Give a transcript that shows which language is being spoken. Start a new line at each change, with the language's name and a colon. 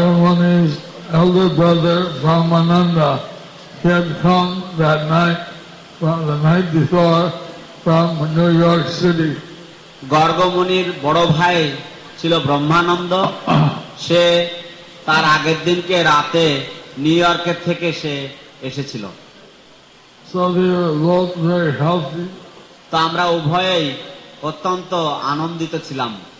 English: One is elder brother Brahmananda. He had come that night, from the night before, from New York City.
Bangla: গর্গমুনির বড় ভাই ছিল ব্রহ্মানন্দ। সে তার আগের দিনকে রাতে নিউ ইয়র্কে থেকে সে এসেছিল।
English: So they were both very healthy.
Bangla: তো আমরা উভয়েই অত্যন্ত আনন্দিত ছিলাম।